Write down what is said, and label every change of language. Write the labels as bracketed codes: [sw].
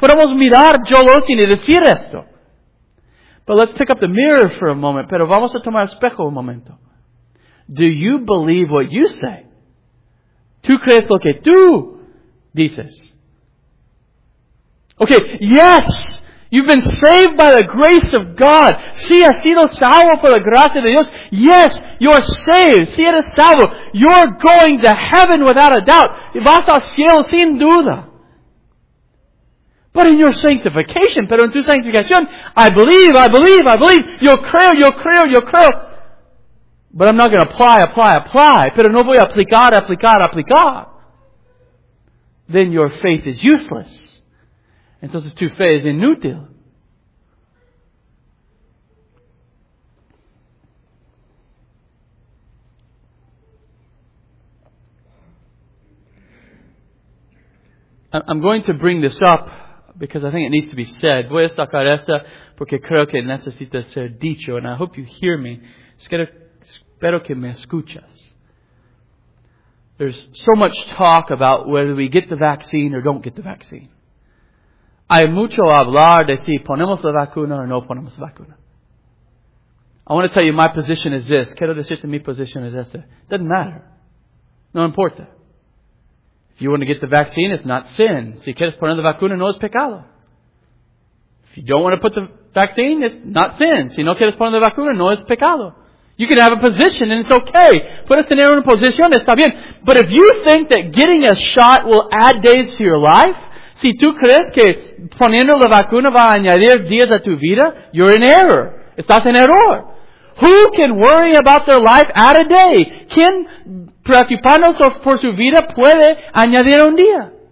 [es] Podemos mirar Joel Osteen y decir esto. [en] But let's pick up the mirror for a moment. [es] Pero vamos a tomar espejo un momento. [en] Do you believe what you say? [es] ¿Tú crees lo que tú dices? [en] Okay, yes, you've been saved by the grace of God. [es] Sí, has sido salvo por la gracia de Dios. [en] Yes, you're saved. [es] Sí, eres salvo. [en] You're going to heaven without a doubt. [es] Vas al cielo sin duda. [en] But in your sanctification, [es] pero en tu santificación, [en] I believe. [es] Yo creo. [en] But I'm not going to apply. [es] Pero no voy a aplicar. [en] Then your faith is useless. [es] Entonces tu fe es inútil. [en] I'm going to bring this up because I think it needs to be said. [es] Voy a sacar esta porque creo que necesita ser dicho. [en] And I hope you hear me. [es] Espero que me escuchas. [en] There's so much talk about whether we get the vaccine or don't get the vaccine. [es] Hay mucho hablar de si ponemos la vacuna o no ponemos la vacuna. [en] I want to tell you my position is this. [es] Quiero decirte mi posición es esta. [en] Doesn't matter. [es] No importa. [en] If you want to get the vaccine, it's not sin. [es] Si quieres poner la vacuna, no es pecado. [en] If you don't want to put the vaccine, it's not sin. [es] Si no quieres poner la vacuna, no es pecado. [en] You can have a position and it's okay. [es] Puedes tener una posición, está bien. [en] But if you think that getting a shot will add days to your life, [es] si tú crees que poniendo la vacuna va a añadir días a tu vida, [en] you're in error. [es] Estás en error. [en] Who can worry about their life add a day? [es] ¿Quién preocupándose por su vida puede añadir un día?